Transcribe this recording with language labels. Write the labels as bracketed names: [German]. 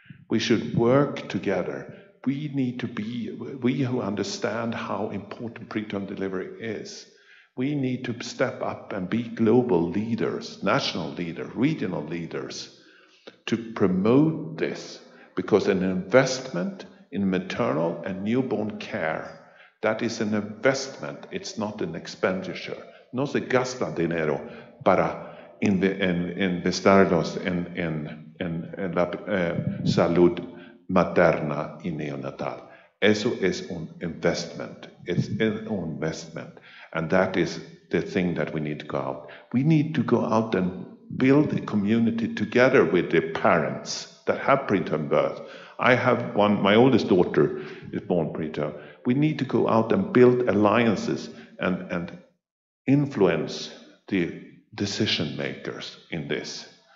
[English] We should work together. We need to be, we who understand how important preterm delivery is, we need to step up and be global leaders, national leaders, regional leaders, to promote this, because an investment in maternal and newborn care, that is an investment, it's not an expenditure. [Spanish] No se gasta dinero para investirlos en la salud materna y neonatal. Eso es un investment. [English] It's an investment. And that is the thing that we need to go out. We need to go out and build a community together with the parents that have preterm birth. I have one, my oldest daughter is born preterm. We need to go out and build alliances and influence the decision makers in this.